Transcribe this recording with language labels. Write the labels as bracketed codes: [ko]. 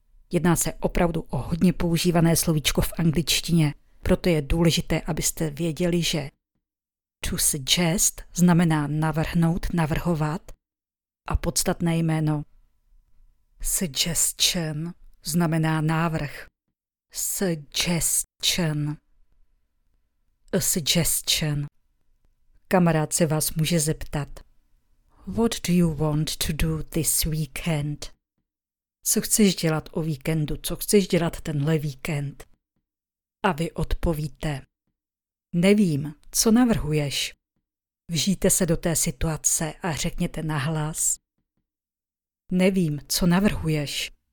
[cs] Jedná se opravdu o hodně používané slovíčko v angličtině, proto je důležité, abyste věděli, že to suggest znamená navrhnout, navrhovat a podstatné jméno suggestion znamená návrh. [en] Suggestion. A suggestion. [cs] Kamarád se vás může zeptat. [en] What do you want to do this weekend? [cs] Co chceš dělat o víkendu? Co chceš dělat tenhle víkend? A vy odpovíte. Nevím, co navrhuješ? Vžijte se do té situace a řekněte nahlas. Nevím, co navrhuješ?